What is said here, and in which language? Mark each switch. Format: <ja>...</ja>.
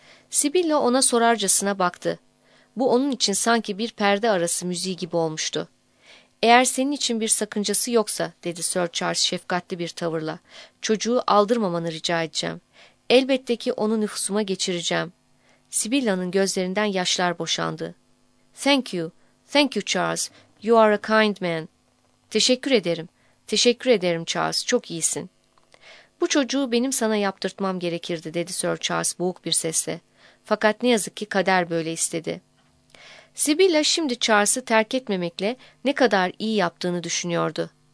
<tr>Sibilla ona sorarcasına baktı. Bu onun için sanki bir perde arası müziği gibi olmuştu. "Eğer senin için bir sakıncası yoksa," dedi Sir Charles şefkatli bir tavırla, "çocuğu aldırmamanı rica edeceğim. Elbette ki onu nüfusuma geçireceğim." Sibilla'nın gözlerinden yaşlar boşandı.</tr> <en>"Thank you, thank you Charles, you are a kind man."</en> <tr>"Teşekkür ederim, teşekkür ederim Charles, çok iyisin." "Bu çocuğu benim sana yaptırtmam gerekirdi," dedi Sir Charles boğuk bir sesle. "Fakat ne yazık ki kader böyle istedi." Sibilla şimdi Charles'ı terk etmemekle ne kadar iyi yaptığını düşünüyordu.</tr>